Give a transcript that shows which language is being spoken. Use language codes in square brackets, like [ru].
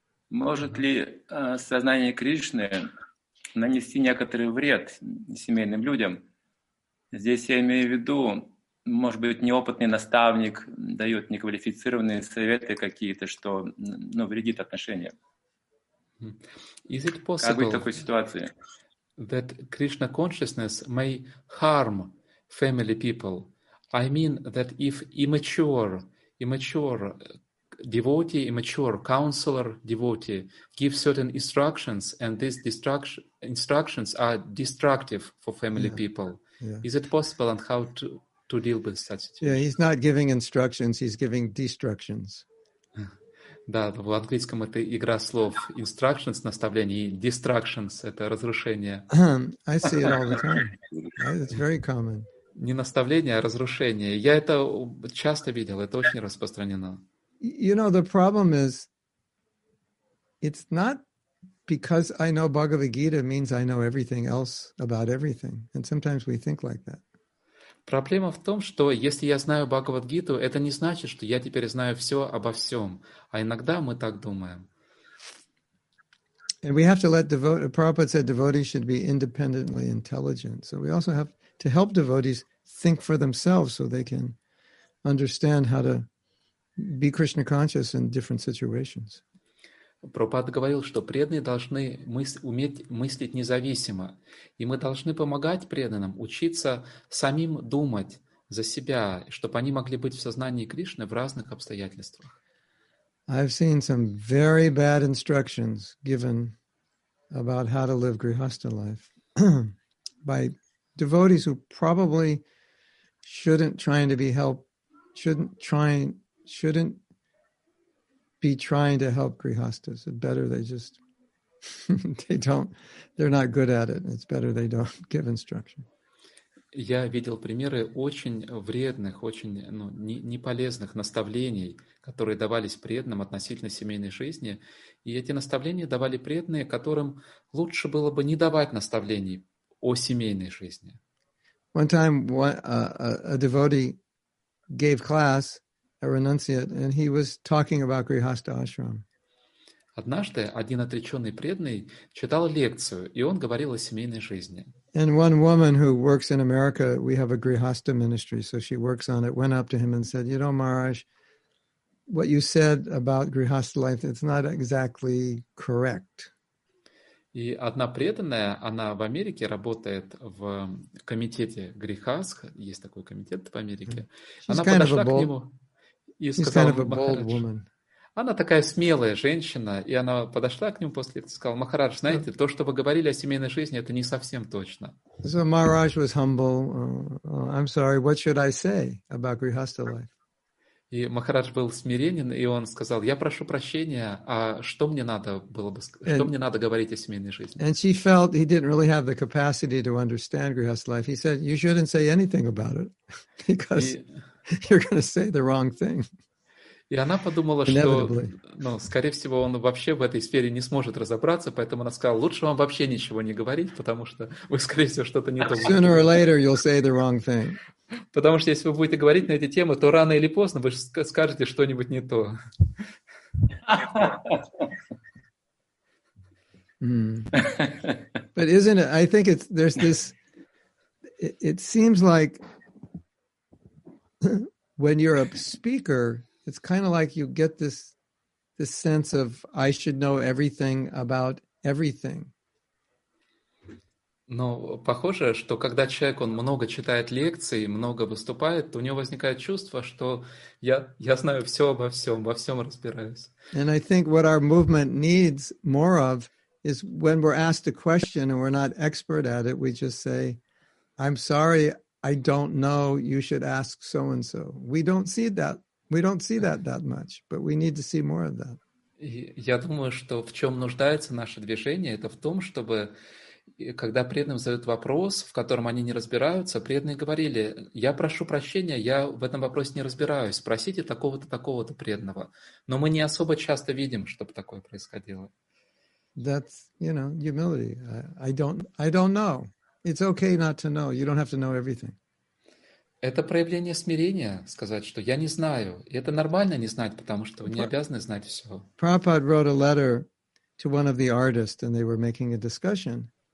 [ru] Может ли сознание Кришны нанести некоторый вред семейным людям? Здесь я имею в виду, может быть, неопытный наставник дает неквалифицированные советы какие-то, что вредит отношениям. [en] Is it possible that Krishna consciousness may harm family people? I mean that if immature devotee, immature counselor devotee give certain instructions and these instructions are destructive for family people, is it possible and how to deal with such Yeah, he's not giving instructions, he's giving destructions. [ru] Да, в английском это игра слов instructions, наставление, и distractions – это разрушение. [en] I see it all the time. It's very common. [ru] Не наставление, а разрушение. Я это часто видел, это очень распространено. [en] You know, the problem is, it's not because I know Bhagavad Gita means I know everything else about everything. And sometimes we think like that. [ru] Проблема в том, что если я знаю Бхагавад-гиту, это не значит, что я теперь знаю все обо всем. А иногда мы так думаем. [en] And we have to let devotees, Prabhupada said devotees should be independently intelligent. So we also have to help devotees think for themselves so they can understand how to be Krishna conscious in different situations. [ru] Прабхупада говорил, что преданные должны уметь мыслить независимо. И мы должны помогать преданным учиться самим думать за себя, чтобы они могли быть в сознании Кришны в разных обстоятельствах. [en] I've seen some very bad instructions given about how to live grihastha life by devotees who probably shouldn't be trying to help grihasthas. It's better they just they're not good at it. It's better they don't give instruction. [ru] Я видел примеры очень вредных, очень неполезных наставлений, которые давались преданным относительно семейной жизни. И эти наставления давали преданные, которым лучше было бы не давать наставлений о семейной жизни. [en] One time a devotee gave class, a renunciate, and he was talking about grihastha ashram. [ru] Однажды один отречённый преданный читал лекцию, и он говорил о семейной жизни. [en] And one woman who works in America, we have a grihastha ministry, so she works on it, went up to him and said, you know, Maharaj, what you said about grihastha life, it's not exactly correct. [ru] И одна преданная, она в Америке работает в комитете грихастх, есть такой комитет в Америке. Она подошла к нему. [en] He's kind of a bold woman. [ru] Она такая смелая женщина, и она подошла к нему после этого и сказала, Махарадж, знаете, то, что вы говорили о семейной жизни, это не совсем точно. [en] So Maharaj was humble. I'm sorry, what should I say about grihastha life? [ru] И Махарадж был смиренен, и он сказал: «Я прошу прощения, а что мне надо было бы, что мне надо говорить о семейной жизни?» [en] And she felt he didn't really have the capacity to understand Grihastha life. He said, "You shouldn't say anything about it, because you're going to say the wrong thing." [ru] И она подумала, что, ну, скорее всего, он вообще в этой сфере не сможет разобраться, поэтому она сказала: «Лучше вам вообще ничего не говорить, потому что вы, скорее всего, что-то не то говорите». [en] Sooner or later you'll say the wrong thing. [ru] Потому что если вы будете говорить на эти темы, то рано или поздно вы скажете что-нибудь не то. [en] But isn't it? I think it's there's this. It seems like when you're a speaker, it's kind of like you get this sense of I should know everything about everything. [ru] Но похоже, что когда человек, он много читает лекции, много выступает, то у него возникает чувство, что я знаю все обо всем разбираюсь. [en] And I think what our movement needs more of is when we're asked a question and we're not expert at it, we just say, I'm sorry, I don't know, you should ask so-and-so. We don't see that much, but we need to see more of that. [ru] И я думаю, что в чем нуждается наше движение, это в том, чтобы когда преданным задают вопрос, в котором они не разбираются, преданные говорили: «Я прошу прощения, я в этом вопросе не разбираюсь. Спросите такого-то, такого-то преданного». Но мы не особо часто видим, чтобы такое происходило. [en] That's, you know, humility. I don't know. It's okay not to know. You don't have to know everything. [ru] Это проявление смирения, сказать, что я не знаю. И это нормально не знать, потому что вы не обязаны знать всего. [en] Prabhupada wrote a letter to one of the artists, and they were making a discussion.